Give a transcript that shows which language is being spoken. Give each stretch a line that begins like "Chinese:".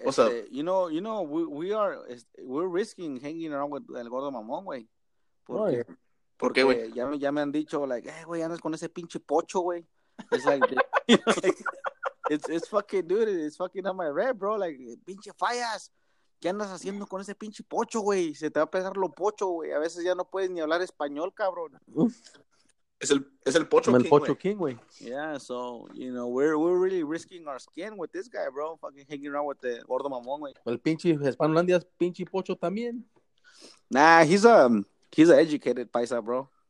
English: what's up? You know, we're risking hanging around with El Gordo Mamón, güey.
Spanish: ¿Por qué, güey? Ya me han dicho, like, hey, güey, andas con ese pinche pocho, güey.
English: It's like, it's fucking on my red, bro.
Spanish: Like, pinche fallas. ¿Qué andas haciendo con ese pinche pocho, güey? Se te va a pegar lo pocho, güey. A veces ya no puedes ni hablar español, cabrón. Es el pocho king, güey.
English: Yeah, so, you know, we're really risking our skin with this guy, bro. Fucking hanging around with the Gordo Mamón, güey.
Spanish: El pinche Hispanolandia's pinche pocho también.
English: Nah, he's an educated paisa, bro.